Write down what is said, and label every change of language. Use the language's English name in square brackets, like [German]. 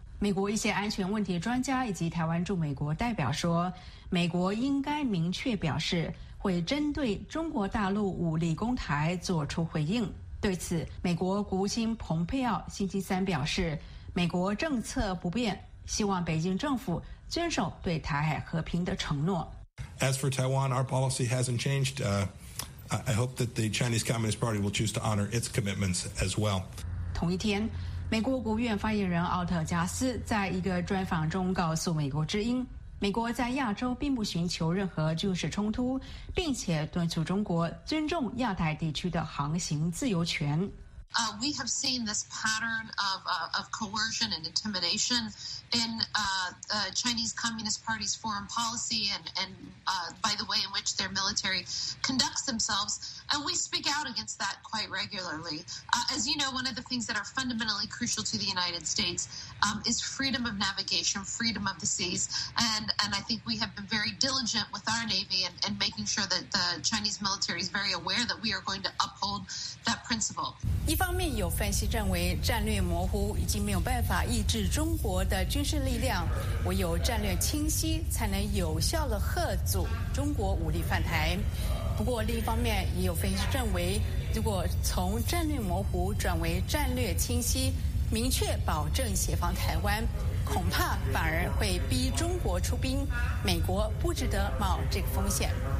[Chinese] 美国一些安全问题专家以及台湾驻美国代表说，美国应该明确表示会针对中国大陆武力攻台做出回应。对此，美国国务卿蓬佩奥星期三表示，美国政策不变，希望北京政府遵守对台海和平的承诺。 [English] As for Taiwan, our policy hasn't changed. I hope that the Chinese Communist Party will choose to honor its commitments as well. [Chinese] 同一天，美国国务院发言人奥特加斯在一个专访中告诉美国之音，美国在亚洲并不寻求任何军事冲突，并且敦促中国尊重亚太地区的航行自由权。 [English] We have seen this pattern of coercion and intimidation in Chinese Communist Party's foreign policy and by the way in which their military conducts themselves, and we speak out against that quite regularly. As you know, one of the things that are fundamentally crucial to the United States is freedom of navigation, freedom of the seas, and I think we have been very diligent with our Navy and making sure that the Chinese military is very aware that we are going to uphold that principle. [Chinese] 一方面有分析认为战略模糊已经没有办法抑制中国的军事力量，唯有战略清晰才能有效地吓阻中国武力犯台。不过另一方面也有分析认为，如果从战略模糊转为战略清晰，明确保证协防台湾，恐怕反而会逼中国出兵，美国不值得冒这个风险。